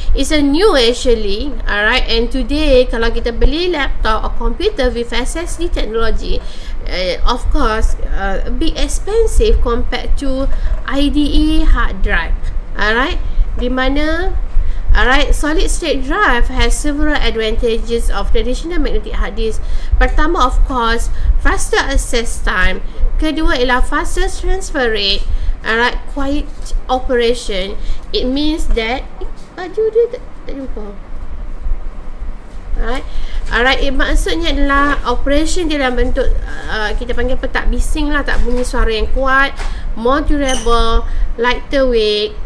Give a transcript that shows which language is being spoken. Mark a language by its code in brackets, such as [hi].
[en] It's a new actually. Alright, and today [ms] kalau kita beli [en] laptop or computer with SSD technology, of course, a bit expensive compared to IDE hard drive. Alright, [ms] di mana, [en] alright, solid state drive has several advantages of traditional magnetic hard disk. [ms] Pertama, [en] of course, faster access time. [ms] Kedua ialah [en] faster transfer rate. Alright, quiet operation. It means that [ms] baju dia tak jumpa. Alright, maksudnya adalah operation dia dalam bentuk kita panggil apa, tak bising lah, tak bunyi suara yang kuat. [en] More durable, lighter weight.